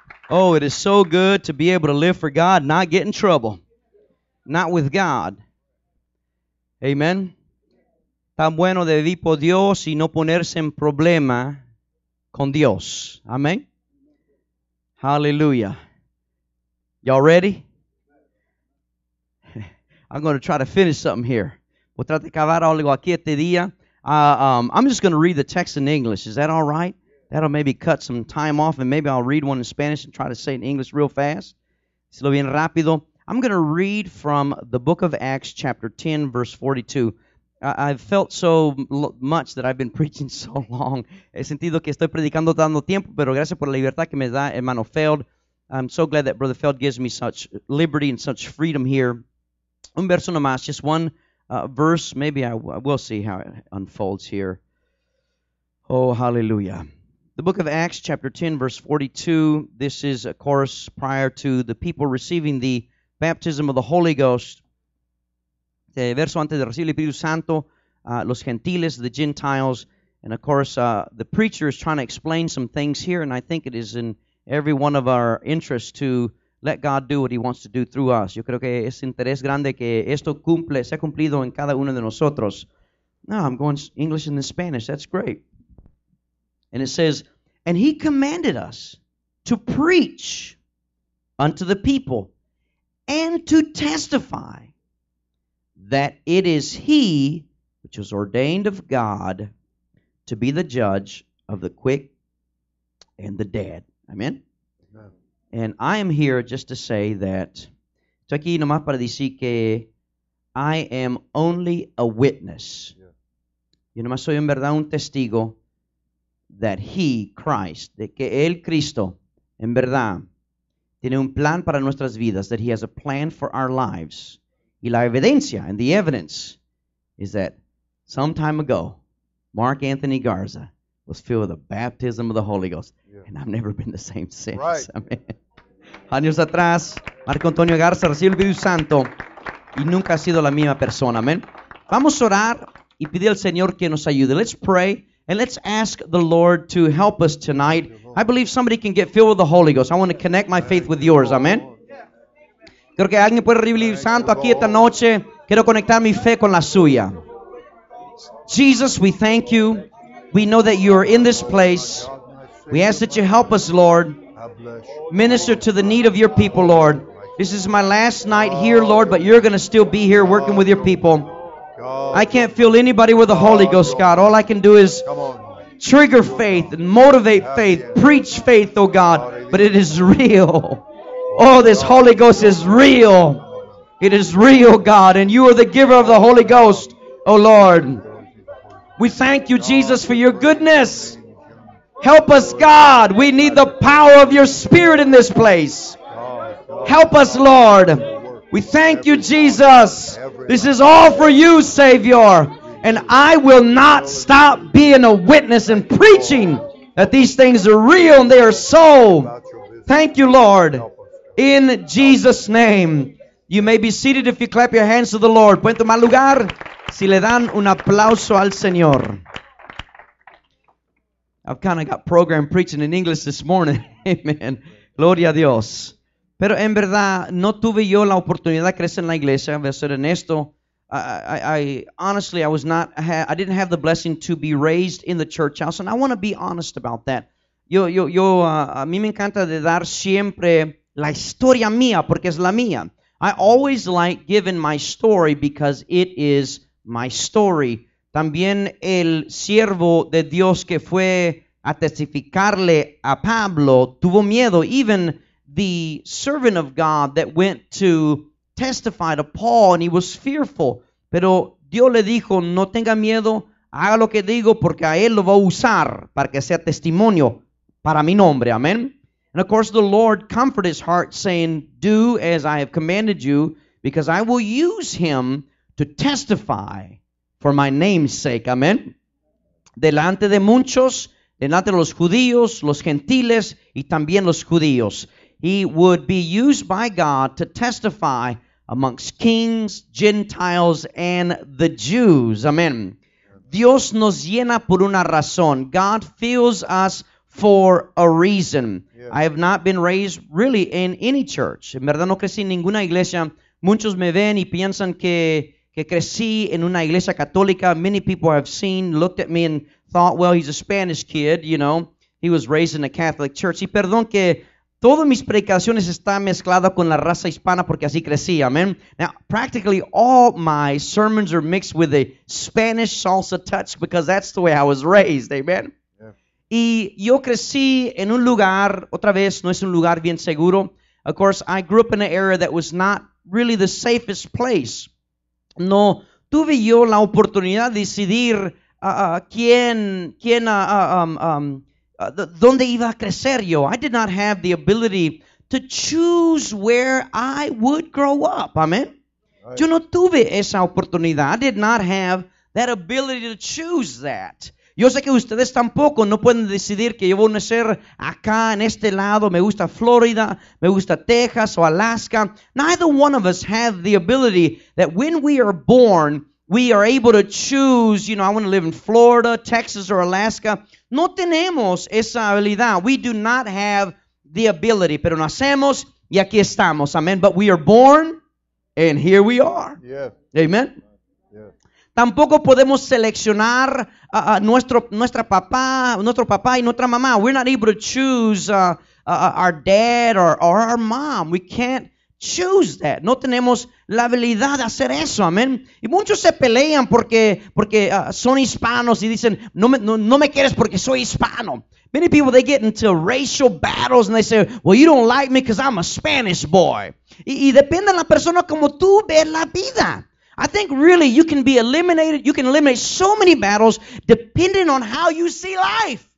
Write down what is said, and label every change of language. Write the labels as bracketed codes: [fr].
[en] Oh, it is so good to be able to live for God, not get in trouble, not with God. Amen. [es] Tan bueno de vivir por Dios y no ponerse en problema con Dios. [en] Amen. Hallelujah. Y'all ready? I'm going to try to finish something here. [es] Voy a tratar de acabar algo aquí este día. [en] I'm just going to read the text in English. Is that all right? That'll maybe cut some time off, and maybe I'll read one in Spanish and try to say it in English real fast. [es] Si lo bien rápido. [en] I'm going to read from the book of Acts, chapter 10, verse 42. I've felt so much that I've been preaching so long. [es] He sentido que estoy predicando tanto tiempo, pero gracias por la libertad que me da, hermano Feld. [en] I'm so glad that Brother Feld gives me such liberty and such freedom here. [es] Un verso nomás, [en] just one verse. Maybe I will see how it unfolds here. Oh, hallelujah. The book of Acts, chapter 10, verse 42. This is, of course, prior to the people receiving the baptism of the Holy Ghost. [es] Verso antes de recibir el Espíritu Santo, los gentiles, [en] the Gentiles. And, of course, the preacher is trying to explain some things here, and I think it is in every one of our interests to let God do what He wants to do through us. [es] Yo creo que es interés grande que esto cumple, se ha cumplido en cada uno de nosotros. [en] No, I'm going English and then Spanish. That's great. And it says, and he commanded us to preach unto the people and to testify that it is he which was ordained of God to be the judge of the quick and the dead. Amen? And I am here just to say that, [es] estoy aquí nomás para decir que [en] I am only a witness. [es] Yo nomás soy en verdad un testigo. [en] That he, Christ, [es] de que el Cristo, en verdad, tiene un plan para nuestras vidas, [en] that he has a plan for our lives. [es] Y la evidencia, [en] and the evidence, is that some time ago, Mark Anthony Garza was filled with the baptism of the Holy Ghost. Yeah. And I've never been the same since. Right. Amen. [es] Años atrás, Marco Antonio Garza recibió el Espíritu Santo y nunca ha sido la misma persona. Amen. Vamos a orar y pedir al Señor que nos ayude. [en] Let's pray. And let's ask the Lord to help us tonight. I believe somebody can get filled with the Holy Ghost. I want to connect my faith with yours. Amen. [es] Creo que alguien puede recibir santo aquí esta noche. Quiero conectar mi fe con la suya. [en] Jesus, we thank you. We know that you are in this place. We ask that you help us, Lord. Minister to the need of your people, Lord. This is my last night here, Lord, but you're going to still be here working with your people. I can't fill anybody with the Holy Ghost, God. All I can do is trigger faith and motivate faith, preach faith, oh God. But it is real. Oh, this Holy Ghost is real. It is real, God. And you are the giver of the Holy Ghost, oh Lord. We thank you, Jesus, for your goodness. Help us, God. We need the power of your Spirit in this place. Help us, Lord. We thank you, Jesus. This is all for you, Savior. And I will not stop being a witness and preaching that these things are real and they are so. Thank you, Lord. In Jesus' name. You may be seated if you clap your hands to the Lord. [es] Pueden tomar lugar si le dan un aplauso al Señor. [en] I've kind of got programmed preaching in English this morning. [es] Amen. Gloria a Dios. Pero en verdad, no tuve yo la oportunidad de crecer en la iglesia, voy a ser honesto. [en] I didn't have the blessing to be raised in the church house, and I want to be honest about that. [es] A mí me encanta de dar siempre la historia mía, porque es la mía. [en] I always like giving my story because it is my story. [es] También el siervo de Dios que fue a testificarle a Pablo tuvo miedo, [en] even the servant of God that went to testify to Paul, and he was fearful. [es] Pero Dios le dijo, no tenga miedo, haga lo que digo, porque a él lo va a usar para que sea testimonio para mi nombre. Amen. [en] And of course, the Lord comforted his heart, saying, do as I have commanded you, because I will use him to testify for my name's sake. Amen. [es] Delante de muchos, delante de los judíos, los gentiles, y también los judíos. [en] He would be used by God to testify amongst kings, Gentiles, and the Jews. Amen. [es] Dios nos llena por una razón. [en] God fills us for a reason. Yeah. I have not been raised really in any church. [es] En verdad no crecí en ninguna iglesia. Muchos me ven y piensan que crecí en una iglesia católica. [en] Many people have seen, looked at me and thought, well, he's a Spanish kid, you know. He was raised in a Catholic church. [es] Y perdón que todas mis predicaciones están mezcladas con la raza hispana porque así crecí, amen. [en] Now, practically all my sermons are mixed with a Spanish salsa touch because that's the way I was raised, amen. Yeah. [es] Y yo crecí en un lugar, otra vez, no es un lugar bien seguro. [en] Of course, I grew up in an area that was not really the safest place. [es] No tuve yo la oportunidad de decidir dónde iba a crecer yo. [en] I did not have the ability to choose where I would grow up. Amen. Right. [es] Yo no tuve esa oportunidad. [en] I did not have that ability to choose that. [es] Yo sé que ustedes tampoco no pueden decidir que yo voy a nacer acá, en este lado. Me gusta Florida, me gusta Texas o Alaska. [en] Neither one of us have the ability that when we are born, we are able to choose, you know, I want to live in Florida, Texas, or Alaska. [es] No tenemos esa habilidad. [en] We do not have the ability. [es] Pero nacemos y aquí estamos. Amen. [en] But we are born and here we are. Yeah. Amen. [es] Tampoco podemos seleccionar nuestro papá y nuestra mamá. [en] We're not able to choose our dad or our mom. We can't choose that. [es] No tenemos la habilidad de hacer eso. Amen. Y muchos se pelean porque son hispanos y dicen, no me quieres porque soy hispano. [en] Many people, they get into racial battles and they say, well, you don't like me because I'm a Spanish boy. [es] Y depende de la persona como tú ves la vida. [en] I think really you can be eliminated. You can eliminate so many battles depending on how you see life.